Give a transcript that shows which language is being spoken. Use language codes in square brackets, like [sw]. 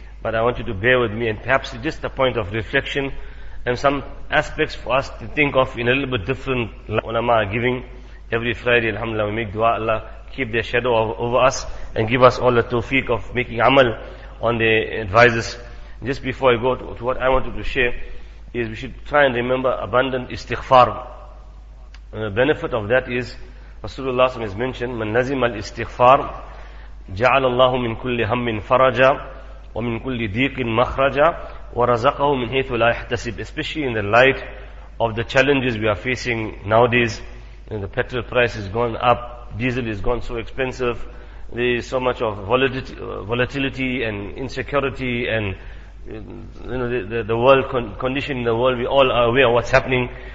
[en] But I want you to bear with me, and perhaps just a point of reflection and some aspects for us to think of in a little bit different. Ulama are giving every Friday, alhamdulillah. We make dua, Allah keep their shadow over us and give us all the tawfiq of making amal on their advices. Just before I go to what I wanted to share, is we should try and remember abundant istighfar. And the benefit of that is Rasulullah has mentioned, [ar] من نزم الاستغفار جعل الله من كل هم فرجا وَمِن كُلِّ دِيقٍ مَخْرَجًا وَرَزَقَهُ مِنْ حَيْثُ لَا يَحْتَسِبُ. [en] Especially in the light of the challenges we are facing nowadays, you know, the petrol price has gone up, diesel has gone so expensive, there is so much of volatility and insecurity, and you know, the world condition in the world, we all are aware of what's happening.